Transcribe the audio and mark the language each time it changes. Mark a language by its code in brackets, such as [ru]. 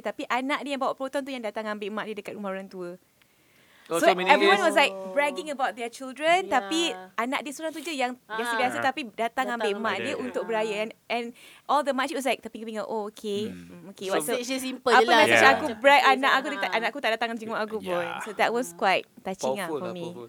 [ms] Tapi anak dia yang bawa Proton tu yang datang ambil mak dia dekat rumah orang tua. [en] So everyone was like bragging about their children. Yeah. [ms] Tapi anak dia seorang tu je yang biasa-biasa tapi datang ambil mak dia untuk beraya. [en] And all the makcik was like [ms] terpinga-pinga. [en] Oh, okay. Okay. So, it's just simple [ms] je lah. Apa nasib aku brag anak aku, anak aku tak datang jenguk aku pun. [en] So that was quite touching lah for me.